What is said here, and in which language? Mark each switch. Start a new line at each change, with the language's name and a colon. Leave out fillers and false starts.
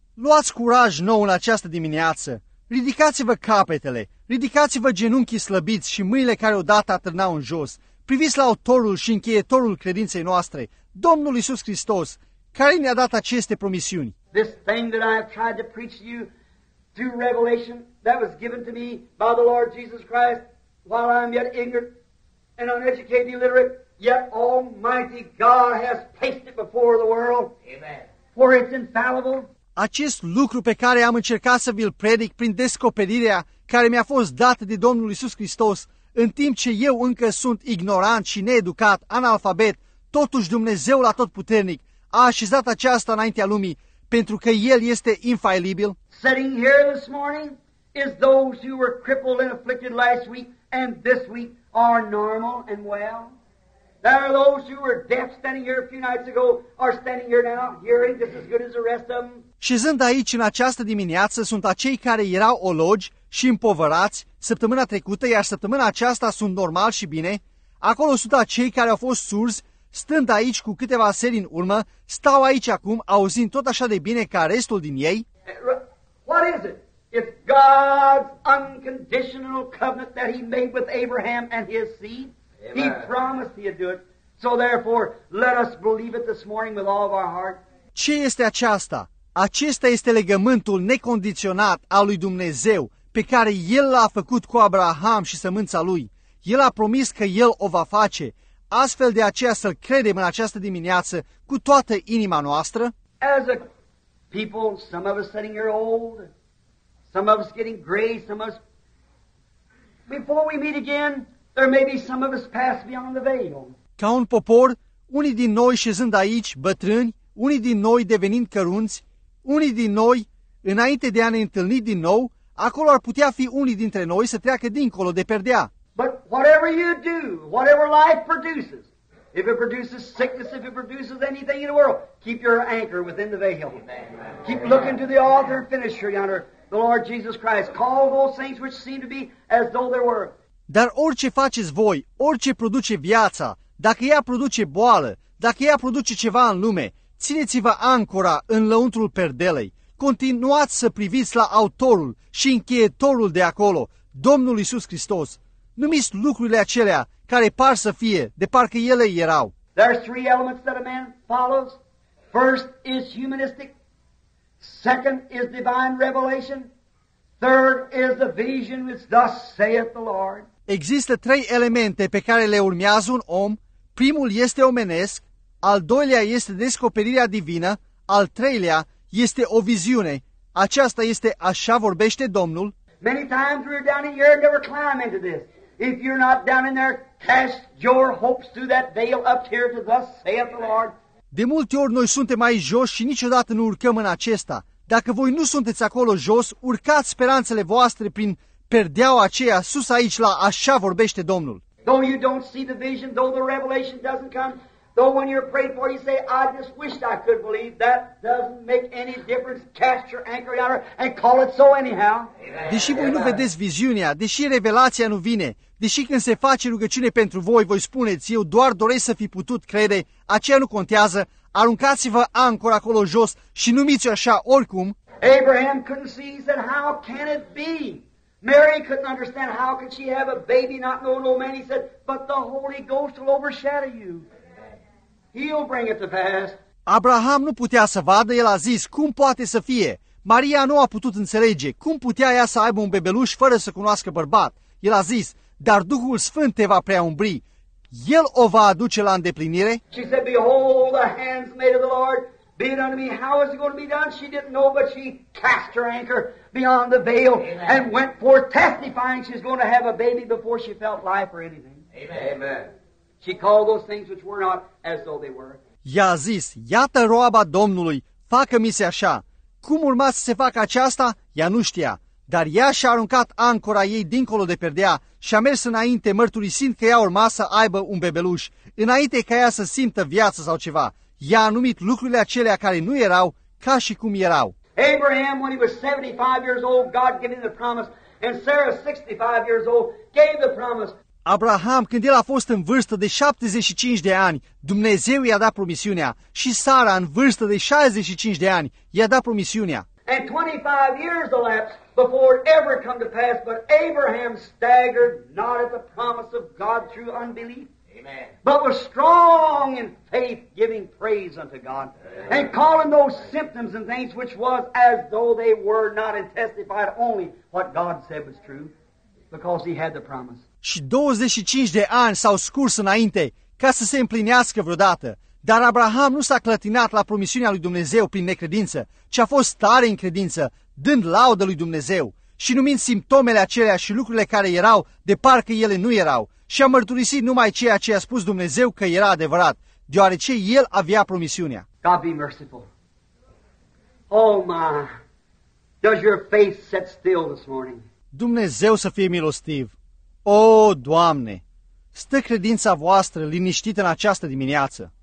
Romanian: Luați curaj nou în această dimineață! Ridicați-vă capetele! Ridicați-vă genunchii slăbiți și mâinile care odată atârnau în jos! Priviți la autorul și încheietorul credinței noastre, Domnul Iisus Hristos, care ne-a dat aceste promisiuni.
English: This thing that I have tried to preach to you through revelation that was given to me by the Lord Jesus Christ while I am yet ignorant and uneducated and illiterate. Yet Almighty God has placed it before the world. Amen. For it's infallible.
Romanian: Acest lucru pe care am încercat să vi-l predic prin descoperirea care mi-a fost dată de Domnul Iisus Hristos, în timp ce eu încă sunt ignorant și needucat, analfabet, totuși Dumnezeul Atotputernic a așezat aceasta înaintea lumii, pentru că El este infailibil.
English: Sitting here this morning is those who were crippled and afflicted last week and this week are normal and well. There are those who were deaf standing here a few nights ago are standing here now hearing just as good as the rest of them.
Romanian: Șezând aici în această dimineață sunt acei care erau ologi și împovărați săptămâna trecută, iar săptămâna aceasta sunt normal și bine. Acolo sunt acei care au fost surzi, stând aici cu câteva seri în urmă, stau aici acum auzind tot așa de bine ca restul din ei.
English: What is it? It's God's unconditional covenant that he made with Abraham and his seed. Amen. He promised he'd do it. So therefore, let us believe it this morning with all of our heart.
Romanian: Ce este aceasta? Acesta este legământul necondiționat al lui Dumnezeu pe care El l-a făcut cu Abraham și sămânța lui. El a promis că El o va face. Astfel de aceea să-L credem în această dimineață cu toată inima noastră.
English: As a people, some of us sitting here old, some of us getting gray, some of us Before we meet again, there may be some of us passed beyond the veil.
Romanian: Ca un popor, unii din noi șezând aici, bătrâni, unii din noi devenind cărunți, unii din noi, înainte de a ne întâlni din nou, acolo ar putea fi unii dintre noi să treacă dincolo de perdea.
English: But whatever you do, whatever life produces, if it produces sickness, if it produces anything in the world, keep your anchor within the veil. Keep looking to the author and finisher yonder, the Lord Jesus Christ. Call those things which seem to be as though they were.
Romanian: Dar orice faceți voi, orice produce viața, dacă ea produce boală, dacă ea produce ceva în lume, țineți-vă ancora în lăuntrul perdelei. Continuați să priviți la autorul și încheietorul de acolo, Domnul Iisus Hristos. Numiți lucrurile acelea care par să fie, de parcă ele erau.
English: There are three elements that a man follows. First is humanistic. Second is divine revelation. Third is the vision which thus saith the Lord.
Romanian: Există trei elemente pe care le urmează un om. Primul este omenesc, al doilea este descoperirea divină, al treilea este o viziune. Aceasta este așa vorbește Domnul.
English: Many times we're down in here and never climb into this. If you're not down in there, cast your hopes through that veil up here to thus saith the Lord.
Romanian: De multe ori noi suntem aici jos și niciodată nu urcăm în acesta. Dacă voi nu sunteți acolo jos, urcați speranțele voastre prin perdeaua aceea sus aici la așa vorbește Domnul.
English: Though you don't see the vision, though the revelation doesn't come, though when you're prayed for, you say, I just wished I could believe, that doesn't make any difference. Cast your anchor out and call it so anyhow.
Romanian: Deși voi nu vedeți viziunea, deși revelația nu vine, deși când se face rugăciune pentru voi, voi spuneți, eu doar doresc să fi putut crede, aceea nu contează, aruncați-vă ancora acolo jos și numiți-o așa oricum.
English: Abraham couldn't see, he said, how can it be? Mary couldn't understand how could she have a baby not know no man. He said, but the Holy Ghost will overshadow you. He'll bring it to pass.
Romanian: Abraham nu putea să vadă, el a zis, cum poate să fie? Maria nu a putut înțelege, cum putea ea să aibă un bebeluș fără să cunoască bărbat? El a zis, dar Duhul Sfânt te va preaumbri. El o va aduce la îndeplinire.
English: She said, behold, the hands made of the Lord, be it unto me. How is it going to be done? She didn't know, but she cast her anchor beyond the veil. Amen. And went forth testifying she's going to have a baby before she felt life or anything. Amen. She called those things which were not as though they were.
Romanian: Ea a zis, iată roaba Domnului, facă-mi se așa. Cum urma să se facă aceasta? Ea nu știa. Dar ea și-a aruncat ancora ei dincolo de perdea și a mers înainte mărturisind că ea urma să aibă un bebeluș, înainte ca ea să simtă viață sau ceva. Ea a numit lucrurile acelea care nu erau ca și cum erau.
English: Abraham, when he was 75 years old, God gave him the promise, and Sarah, 65 years old, gave the promise.
Romanian: Abraham, când el a fost în vârstă de 75 de ani, Dumnezeu i-a dat promisiunea, și Sara, în vârstă de 65 de ani, i-a dat promisiunea.
English: And 25 years elapsed before it ever come to pass, but Abraham staggered not at the promise of God through unbelief. Amen. But was strong in faith, giving praise unto God. Amen. And calling those symptoms and things which was as though they were not, and testified only what God said was true, because he had the promise.
Romanian: Și 25 de ani s-au scurs înainte ca să se împlinească vreodată. Dar Abraham nu s-a clătinat la promisiunea lui Dumnezeu prin necredință, ci a fost tare în credință, dând laudă lui Dumnezeu și numind simptomele acelea și lucrurile care erau, de parcă ele nu erau, și a mărturisit numai ceea ce i-a spus Dumnezeu că era adevărat, deoarece el avea promisiunea.
English: God be merciful. Oh my, does your face set still this morning?
Romanian: Dumnezeu să fie milostiv. O, Doamne, stă credința voastră liniștită în această dimineață.